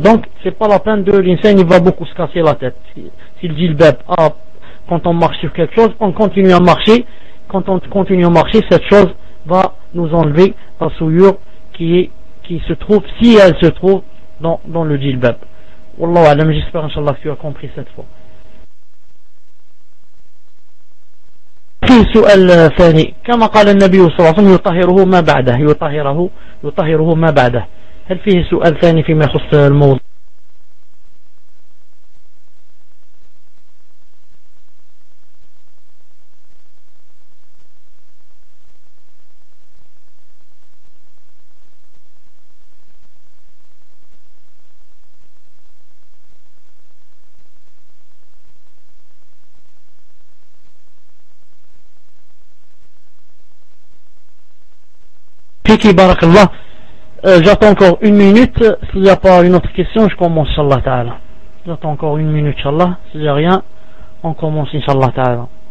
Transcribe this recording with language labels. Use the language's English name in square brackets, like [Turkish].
[French] Donc, c'est pas la peine de l'insigne, il va beaucoup se casser la tête. S'il dit le bep, quand on marche sur quelque chose, on continue à marcher. Quand on continue à marcher, cette chose va nous enlever la souillure qui se trouve, si elle se trouve, dans le djilbab. [Arabic] Wallahu alam, [French] j'espère, inshallah, que tu as compris cette fois. [Arabic] السؤال الثاني كما قال النبي صلى الله عليه وسلم يطهره ما بعده يطهره ما بعده هل فيه سؤال ثاني فيما يخص الموضوع Barakallah. [French] J'attends encore une minute. S'il n'y a pas une autre question, je commence, inshallah ta'ala. J'attends encore une minute, inshallah. S'il n'y a rien, on commence, inshallah ta'ala.